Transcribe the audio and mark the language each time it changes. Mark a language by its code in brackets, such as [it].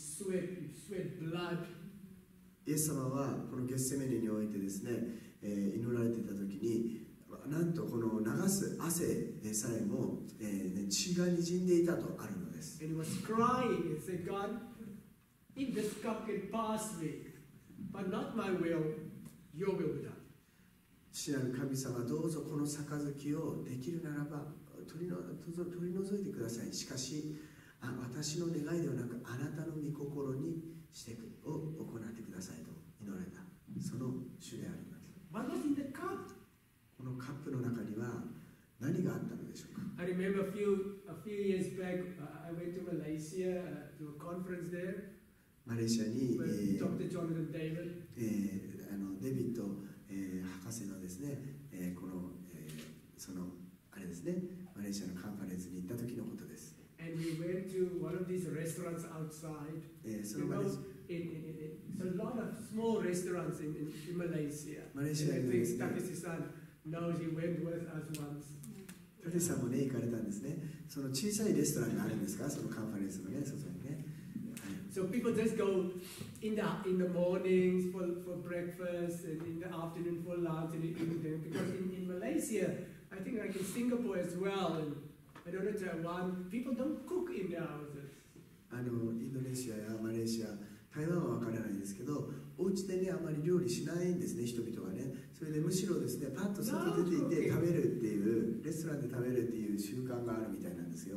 [ja] イエス様はこのゲッセメネにおいてですね、祈られていた時に、なんとこの流す汗でさえも、血が滲んでいたとあるのです。 [en] And he was crying and said, God, if this cup can pass me, but not my will, your will be done. [ja] 父なる神様、どうぞこの杯をできるならば取り除いてください。しかし、私の願いではなく、あなたの御心にしてを行ってくださいと祈られた、その主であります。 [en] What was in the cup? [ja] このカップの中には何があったのでしょうか。 [en] I remember a few years back, I went to Malaysia to a conference there. [ja] マレーシアに、 [en] Dr. Jonathan David. [ja] デビッド博士のですね、この、そのあれですね、マレーシアのカンファレンスに行った時のことです。 [en] And we went to one of these restaurants outside. [ja] そのマレーシア、 [en] so a lot of small restaurants in Malaysia. [ja] マレーシアにですね。 [en] Takeshi-san knows he went with us once. [ja] Takeshi-san もね、行かれたんですね。その小さいレストランがあるんですか、そのカンファレンスのね、そこにね。 [en] So people just go in the mornings for breakfast and in the afternoon for lunch and evening. Because in Malaysia, I think like in Singapore as well, and I don't know Taiwan, people don't cook in their houses. [ja] インドネシアやマレーシア、台湾は分からないですけど、お家でね、あまり料理しないんですね、人々がね。それでむしろですね、パッと外出ていて食べるっていう、レストランで食べるっていう習慣があるみたいなんですよ。